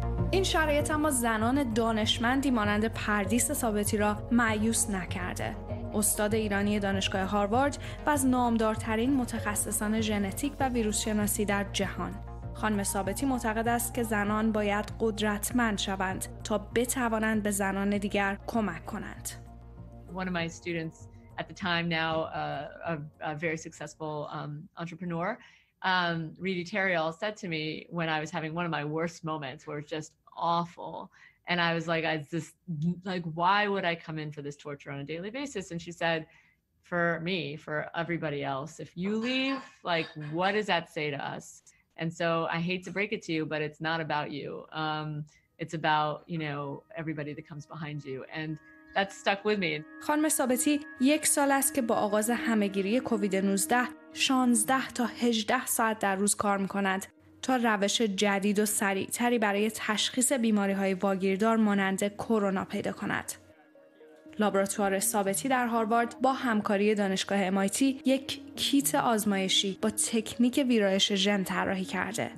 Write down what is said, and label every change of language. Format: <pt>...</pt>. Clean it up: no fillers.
<fa>این شرایط اما زنان دانشمندی مانند پردیس ثابتی را مایوس نکرده. استاد ایرانی دانشگاه هاروارد و از نامدارترین متخصصان ژنتیک و ویروس شناسی در جهان. خانم ثابتی معتقد است که زنان باید قدرتمند شوند تا بتوانند به زنان دیگر کمک کنند.</fa> <en>One of my students at the time now a very successful entrepreneur Reedy Terrell said to me when I was having one of my worst moments where it was just awful and I was like why would I come in for this torture on a daily basis and she said for me for everybody else if you leave like what does that say to us and so I hate to break it to you but it's not about you it's about you know everybody that comes behind you and that stuck with me</en> <fa>خانم ثابتی یک سال است که با آغاز همه‌گیری کووید 19 16 تا 18 ساعت در روز کار میکند تا روش جدید و سریع‌تری برای تشخیص بیماری‌های واگیردار مانند کرونا پیدا کند. لابراتوار ثابتی در هاروارد با همکاری دانشگاه MIT یک کیت آزمایشی با تکنیک ویرایش ژن طراحی کرده.</fa>